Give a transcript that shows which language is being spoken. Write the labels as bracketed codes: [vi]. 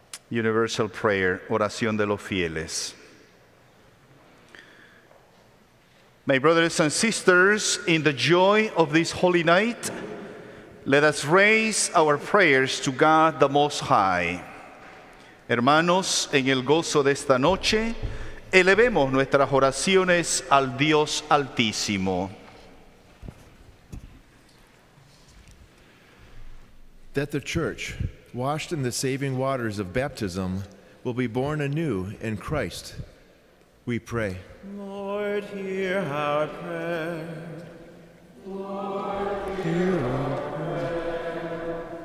[en] Universal Prayer, [es] Oración de los Fieles. [en] My brothers and sisters, in the joy of this holy night, let us raise our prayers to God the Most High. [es] Hermanos, en el gozo de esta noche, elevemos nuestras oraciones al Dios Altísimo. [en] That the church, washed in the saving waters of baptism, will be born anew in Christ, we pray. Lord, hear our prayer. Lord, hear our prayer.